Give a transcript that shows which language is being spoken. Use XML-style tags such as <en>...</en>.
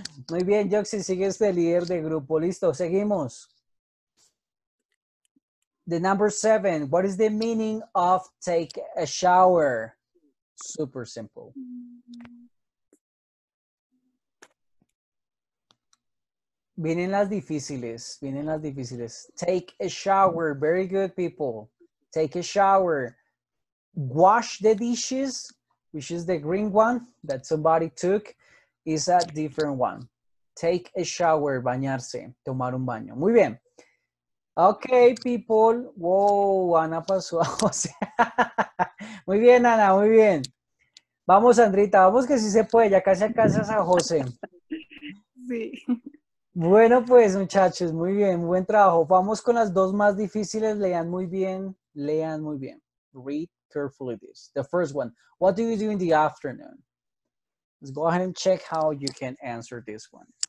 <es>Muy bien, Joxy, sigues de líder de grupo. Listo, seguimos.</es> <en>The number seven, what is the meaning of take a shower? Super simple.</en> <es>Vienen las difíciles, vienen las difíciles.</es> <en>Take a shower, very good people. Take a shower. Wash the dishes, which is the green one that somebody took, is a different one. Take a shower,</en> <es>bañarse, tomar un baño. Muy bien.</es> <en>Okay, people. Wow,</en> <es>Ana pasó a José. Muy bien, Ana, muy bien. Vamos, Andrita, vamos que sí se puede. Ya casi alcanzas a José. Sí. Bueno, pues, muchachos, muy bien, buen trabajo. Vamos con las dos más difíciles. Lean muy bien, lean muy bien.</es> <en>Read carefully this. The first one, what do you do in the afternoon? Let's go ahead and check how you can answer this one.</en>